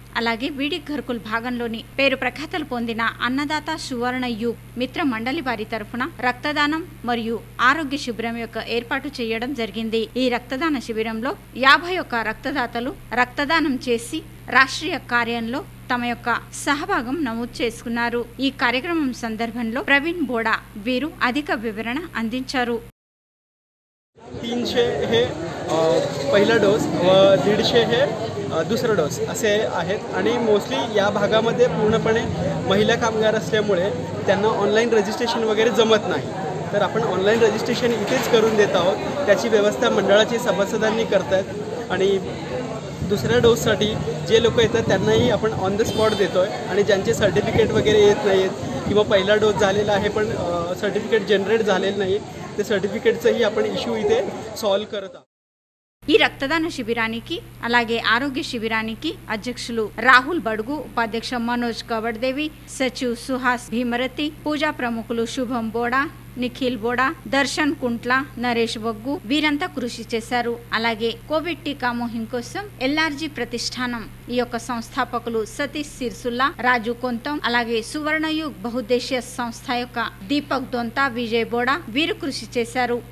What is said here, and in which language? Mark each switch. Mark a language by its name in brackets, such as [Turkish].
[Telugu] అలాగే విడిఘర్కుల్ భాగంలోని పేరు ప్రఖ్యాతలు పొందిన అన్నదాత సువర్ణ యుగ్ మిత్ర మండలి వారి తరఫున రక్తదానం మరియు ఆరోగ్య శిబిరం యొక్క ఏర్పాటు చేయడం జరిగింది. ఈ రక్తదాన శిబిరంలో 51 రక్తదాతలు రక్తదానం చేసి రాష్ట్రీయ కార్యంలో తమ యొక్క సహభాగం నమోదు చేసుకున్నారు. ఈ కార్యక్రమం సందర్భంలో ప్రవీణ్ బోడా వీరు అధిక వివరణ అందించారు. [Marathi] 300 हे पहिला डोस व 150 हे दुसरा डोस असे आहेत आणि मोस्टली या भागामध्ये पूर्णपणे महिला कामगार असल्यामुळे त्यांना ऑनलाईन रजिस्ट्रेशन वगैरे जमत नाही तर आपण ऑनलाईन रजिस्ट्रेशन इथेच करून देत आहोत. त्याची व्यवस्था मंडळाचे सभासदांनी करतात आणि दुसऱ्या डोससाठी जे लोक येतात त्यांनाही आपण ऑन द स्पॉट देतो आहे आणि ज्यांचे सर्टिफिकेट वगैरे येत नाही आहेत किंवा पहिला डोस झालेला आहे पण सर्टिफिकेट जनरेट झालेलं नाही ते सर्टिफिकेटचंही आपण इश्यू इथे सॉल्व्ह करत आहोत. [Telugu] ఈ రక్తదాన శిబిరానికి అలాగే ఆరోగ్య శిబిరానికి అధ్యక్షులు రాహుల్ బడుగు, ఉపాధ్యక్ష మనోజ్ కవడదేవి, సచివ్ సుహాస్ భీమరతి, పూజా ప్రముఖులు శుభం బోడా, నిఖిల్ బోడా, దర్శన్ కుంట్ల, నరేష్ బొగ్గు వీరంతా కృషి చేశారు. అలాగే కోవిడ్ టీకా మోహిం కోసం ఎల్ఆర్జి ప్రతిష్టానం ఈ యొక్క సంస్థాపకులు సతీష్ సిర్సుల్లా, రాజు కొంతం, అలాగే సువర్ణయుగ్ బహుద్దేశీయ సంస్థ యొక్క దీపక్ దొంతా, విజయ్ బోడా వీరు కృషి చేశారు.